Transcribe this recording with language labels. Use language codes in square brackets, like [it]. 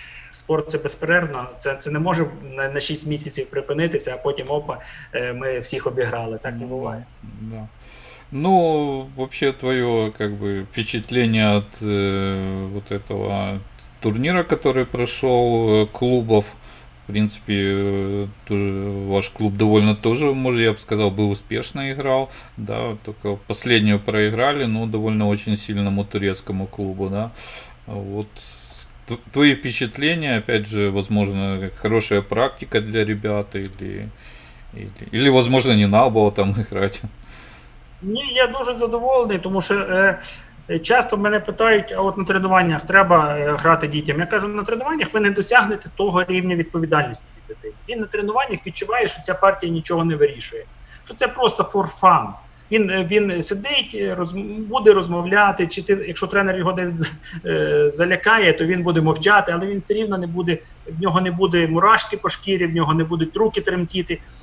[uk] Спорт – це безперервно, це не може на 6 місяців припинитися, а потім, опа, ми всіх обіграли, так не буває. [ru] Ну, вообще, твое, как бы, впечатление от вот этого турнира, который прошел, клубов, в принципе, ваш клуб довольно тоже, может, я бы сказал, был успешно играл, да, только последнюю проиграли, но довольно очень сильному турецкому клубу, да, вот, твои впечатления, опять же, возможно, хорошая практика для ребят, или возможно, не надо было там играть. [uk] Ні, я дуже задоволений, тому що часто мене питають, а от на тренуваннях треба грати дітям. Я кажу, на тренуваннях ви не досягнете того рівня відповідальності від дитини. Він на тренуваннях відчуває, що ця партія нічого не вирішує, що це просто [en] for fun. [uk] Він сидить, буде розмовляти, чи ти, якщо тренер його десь залякає, то він буде мовчати, але він все рівно не буде, в нього не буде мурашки по шкірі, в нього не будуть руки тремтіти.